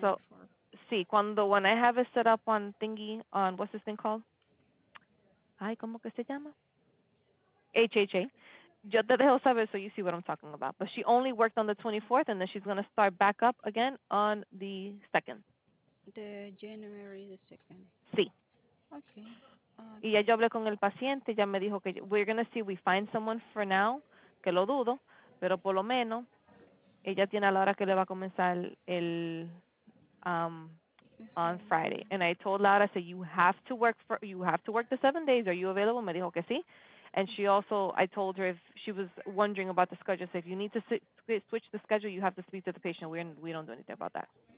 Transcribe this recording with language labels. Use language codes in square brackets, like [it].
[en] So, sí, cuando, when I have it set up on thingy, on what's this thing called? [es] Ay, ¿cómo que se llama? [en] HHA. [es] Yo te dejo saber [en] so you see what I'm talking about. But she only worked on the 24th, and then she's going to start back up again on the 2nd. The January the 2nd. [es] Sí. [en] Okay. [es] Y ya yo hablé con el paciente. Ya me dijo que [en] we're going to see if we find someone for now, [es] que lo dudo. Pero por lo menos, ella tiene a la hora que le va a comenzar el [en] on Friday. And I told Laura, I said, you have to work the 7 days. Are you available? [es] Me dijo que sí. [en] And she also, I told her if she was wondering about the schedule, so if you need to switch the schedule, you have to speak to the patient. We don't do anything about that.